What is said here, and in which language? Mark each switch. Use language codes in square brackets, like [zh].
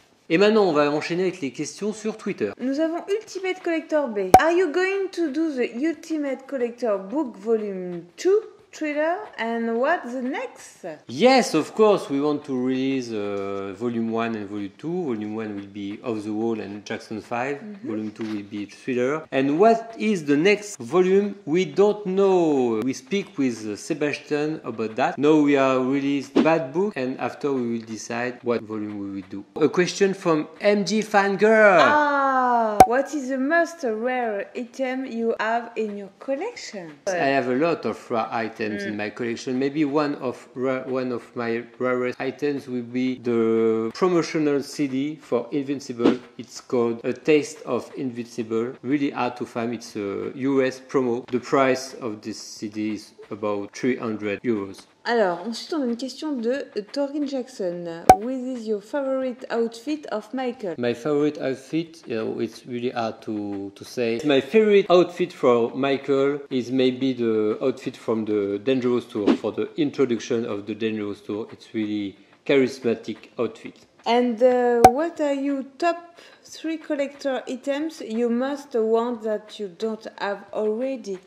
[fr] Et maintenant, on va enchaîner avec les questions sur Twitter. Nous avons Ultimate Collector B. [en] Are you going to do the Ultimate Collector Book Volume 2? Thriller, and what's the next? Yes, of course, we want to release volume 1 and volume 2. Volume 1 will be Off the Wall and Jackson 5. Mm-hmm. Volume 2 will be Thriller. And what is the next volume? We don't know. We speak with Sebastian about that. Now we are released Bad Book, and after we will decide what volume we will do. A question from MG Fangirl. Ah! What is the most rare item you have in your collection? I have a lot of rare items in my collection. Maybe one of my rarest items will be the promotional CD for Invincible. It's called A Taste of Invincible. Really hard to find. It's a US promo. The price of this CD is about 300 euros. [fr] Alors, ensuite, on a une question de Torin Jackson. [en] What is your favorite outfit of Michael? My favorite outfit, you know, it's really hard to say. My favorite outfit for Michael is maybe the outfit from the Dangerous Tour, for the introduction of the Dangerous Tour. It's really charismatic outfit. And what are your top three collector items you must want that you don't have already?